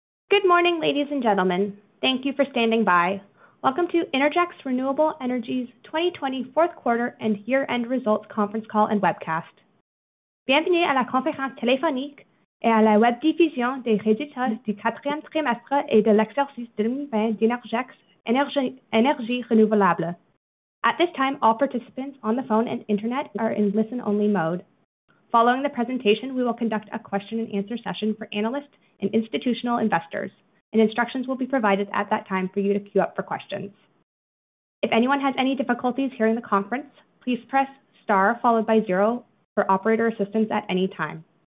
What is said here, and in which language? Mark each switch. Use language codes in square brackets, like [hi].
[en] Good morning, ladies and gentlemen. Thank you for standing by. Welcome to Innergex Renewable Energy's 2020 fourth quarter and year-end results conference call and webcast. [fr] Bienvenue à la conférence téléphonique et à la web diffusion des résultats du quatrième trimestre et de l'exercice 2020 d'Innergex Énergie Renouvelable. [en] At this time, all participants on the phone and internet are in listen-only mode. Following the presentation, we will conduct a question and answer session for analysts and institutional investors, and instructions will be provided at that time for you to queue up for questions. If anyone has any difficulties hearing the conference, please press star followed by zero for operator assistance at any time.